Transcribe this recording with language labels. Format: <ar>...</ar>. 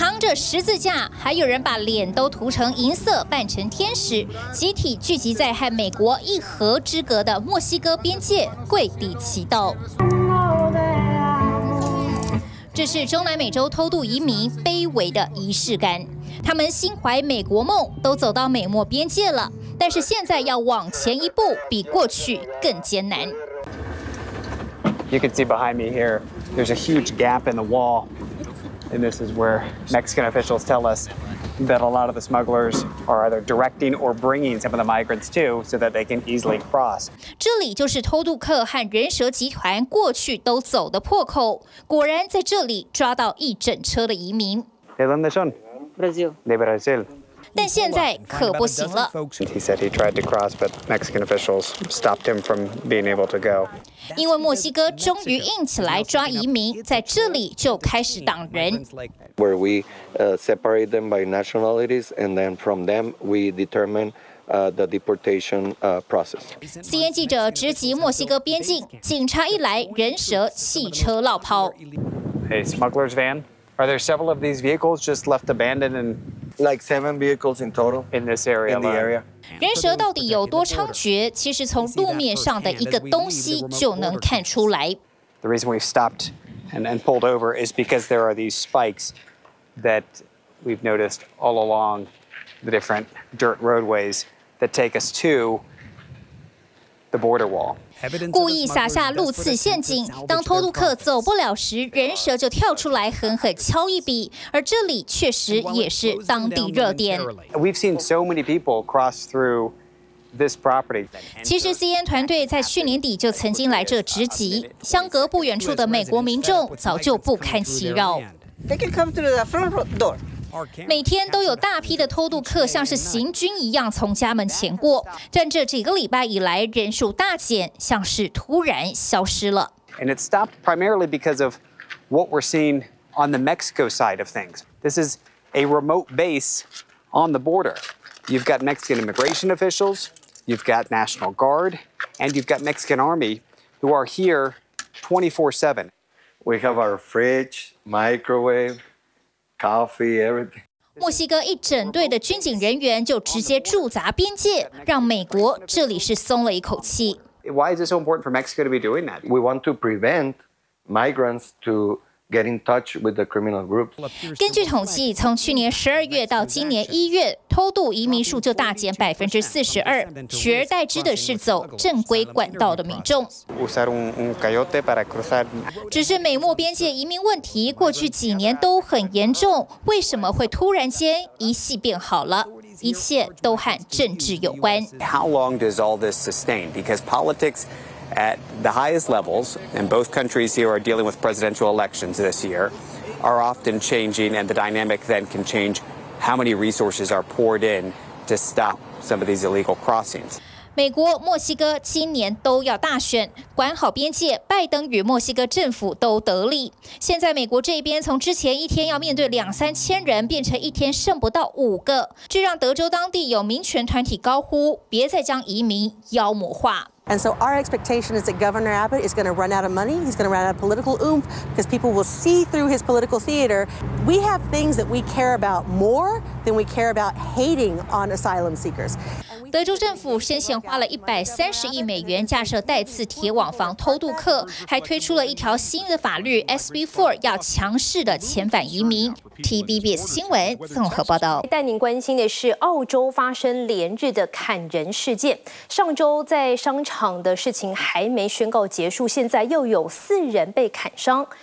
<zh>着十字架，还有人把脸都涂成银色，扮成天使，集体聚集在和美国一河之隔的墨西哥边界跪地祈祷。这是中南美洲偷渡移民卑微的仪式感，他们心怀美国梦，都走到美墨边界了，但是现在要往前一步，比过去更艰难。</zh> <en>You can see behind me here, there's a huge gap in the wall, and this is where Mexican officials tell us that a lot of the smugglers are either directing or bringing some of the migrants to, so that they can easily cross.</en> <zh>这里就是偷渡客和人蛇集团过去都走的破口。果然在这里抓到一整车的移民。</zh> <es>¿De dónde son? Brasil. De Brasil.</es> <zh>但现在可不行了。</zh> <en>He said he tried to cross, but Mexican officials stopped him from being able to go.</en> <zh>因为墨西哥终于硬起来抓移民，在这里就开始挡人。</zh> <en>Where we separate them by nationalities, and then from them we determine the deportation process.</en> <zh>CNN 记者直击墨西哥边境，警察一来，人蛇汽车落跑。</zh> <en>Hey, smugglers van. Are there several of these vehicles just left abandoned and? Like seven vehicles in total in this area. In the area.</en> <zh>人蛇到底有多猖獗？其实从路面上的一个东西就能看出来。</zh> <en>The reason we've stopped and pulled over is because there are these spikes that we've noticed all along the different dirt roadways that take us to the border wall.</en> <zh>故意撒下路刺陷阱，当偷渡客走不了时，人蛇就跳出来狠狠敲一笔。而这里确实也是当地热点。</zh> <en>We've seen so many people cross through this property.</en> <zh>其实 CN 团队在去年底就曾经来这执击，相隔不远处的美国民众早就不堪其扰。</zh> <en>They can come through the front door.</en> <zh>每天都有大批的偷渡客像是行军一样从家门前过，但这几个礼拜以来人数大减，像是突然消失了。</zh> <en>And it stopped primarily because of what we're seeing on the Mexico side of things. This is a remote base on the border. You've got Mexican immigration officials, you've got National Guard, and you've got Mexican Army who are here 24/7. We have our fridge, microwave. Coffee, everything.</en> <zh>墨西哥一整队的军警人员就直接驻扎边界，让美国这里是松了一口气。</zh> <en>Why is it so important for Mexico to be doing that? We want to prevent migrants to get in touch with the criminal groups.</en> <zh>根据统计，从去年十二月到今年一月，偷渡移民数就大减42%，取而代之的是走正规管道的民众。</zh> <es>Usar un coyote para cruzar.</es> <zh>只是美墨边界移民问题过去几年都很严重，为什么会突然间一夕变好了？一切都和政治有关。</zh> <en>How long does all this sustain? Because politics. At the highest levels, and both countries here are dealing with presidential elections this year, are often changing, and the dynamic then can change how many resources are poured in to stop some of these illegal crossings.</en> <zh>美国、墨西哥今年都要大选，管好边界，拜登与墨西哥政府都得利。现在美国这边从之前一天要面对两三千人，变成一天剩不到五个，这让德州当地有民权团体高呼：别再将移民妖魔化。</zh> <en>And so our expectation is that Governor Abbott is going to run out of money. He's going to run out of political oomph because people will see through his political theater. We have things that we care about more than we care about hating on asylum seekers.</en> <zh>德州政府先前花了130亿美元架设带刺铁网防偷渡客，还推出了一条新的法律 SB4， 要强势的遣返移民。 TVBS 新闻综合报道。带您关心的是澳洲发生连日的砍人事件，上周在商场的事情还没宣告结束，现在又有四人被砍伤。</zh>